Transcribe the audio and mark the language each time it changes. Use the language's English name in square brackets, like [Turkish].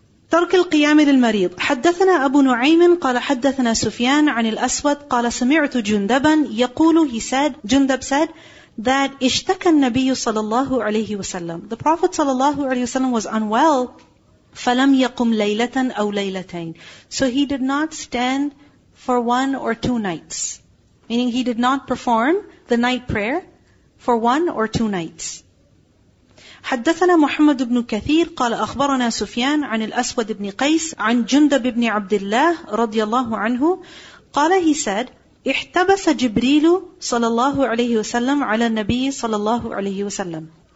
[Arabic] ترك القيام للمريض حدثنا أبو نعيم قال حدثنا سفيان عن الأسود قال سمعت جندبا يقول جندب said that اشتكى النبي صلى الله عليه وسلم. [English] The Prophet صلى الله عليه وسلم was unwell, فلم يقم ليلة أو ليلتين. So he did not stand for one or two nights. Meaning he did not perform the night prayer for one or two nights. [Arabic] حدثنا محمد بن كثير قال أخبرنا سفيان عن الأسود بن قيس عن جندب بن عبد الله رضي الله عنه قال he said احتبس جبريل صلى الله عليه وسلم على النبي صلى الله عليه وسلم.